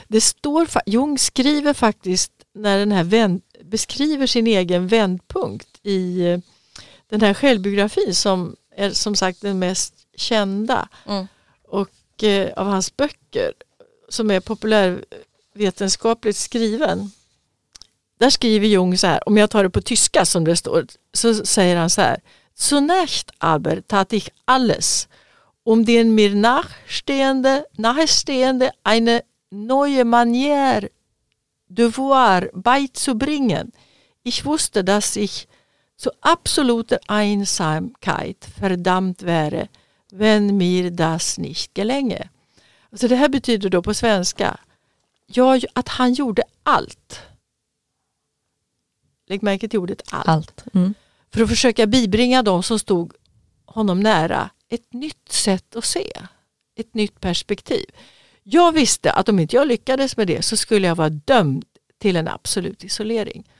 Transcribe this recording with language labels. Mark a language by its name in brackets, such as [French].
[Swedish] Det står, Jung skriver faktiskt när den här beskriver sin egen vändpunkt i den här självbiografin som är som sagt den mest kända och av hans böcker som är populärvetenskapligt skriven. Där skriver Jung så här, om jag tar det på tyska som det står, så säger han så här: [German] Zunächst aber tat ich alles, um den mir nahestehende eine neue Manier devoir beizubringen. Ich wusste, dass ich zu absoluter Einsamkeit verdammt wäre, wenn mir das nicht gelänge. [Swedish] Alltså det här betyder då på svenska, ja, att han gjorde allt. Lägg märke till ordet allt. Allt. Mm. För att försöka bibringa dem som stod honom nära ett nytt sätt att se. Ett nytt perspektiv. Jag visste att om inte jag lyckades med det så skulle jag vara dömd till en absolut isolering.